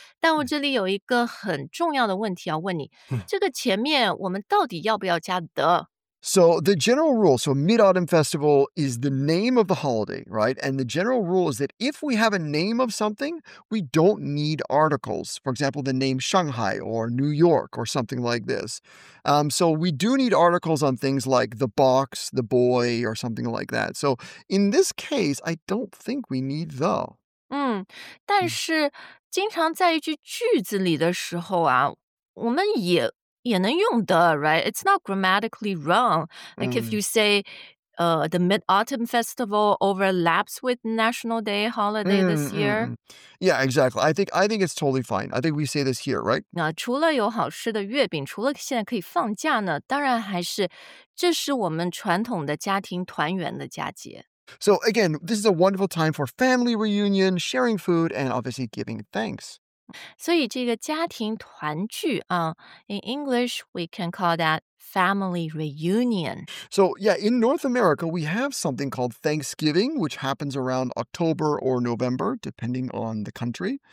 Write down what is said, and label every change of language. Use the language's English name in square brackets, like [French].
[Chinese] 但我这里有一个很重要的问题要问你这个前面我们到底要不要加 the? [English] So the general rule, so Mid-Autumn Festival is the name of the holiday, right? And the general rule is that if we have a name of something, we don't need articles. For example, the name Shanghai or New York or something like this. So we do need articles on things like the box, the boy, or something like that. So in this case, I don't think we need the. [Chinese] 但是经常在一句句子里的时候啊，我们也也能用的 [English] right? It's not grammatically wrong. Like if you say, the Mid-Autumn Festival overlaps with National Day holiday this year. Yeah, exactly. I think it's totally fine. I think we say this here, right? [Chinese] 那除了有好吃的月饼，除了现在可以放假呢，当然还是，这是我们传统的家庭团圆的佳节。 [English] So again, this is a wonderful time for family reunion, sharing food, and obviously giving thanks. [Chinese] 所以这个家庭团聚啊 [English] in English, we can call that family reunion. So, yeah, in North America, we have something called Thanksgiving, which happens around October or November, depending on the country.